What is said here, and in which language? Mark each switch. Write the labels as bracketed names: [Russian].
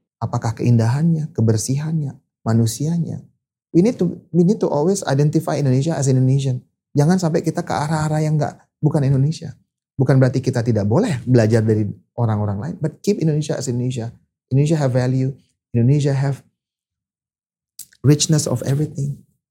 [Indonesian] Apakah keindahannya, kebersihannya, manusianya. [English] We need to always identify Indonesia as Indonesian. [Indonesian] Jangan sampai kita ke arah-arah yang bukan Indonesia. Bukan berarti kita tidak boleh belajar dari orang-orang lain, [English] but keep Indonesia as Indonesia. Indonesia have value, Indonesia have richness of everything.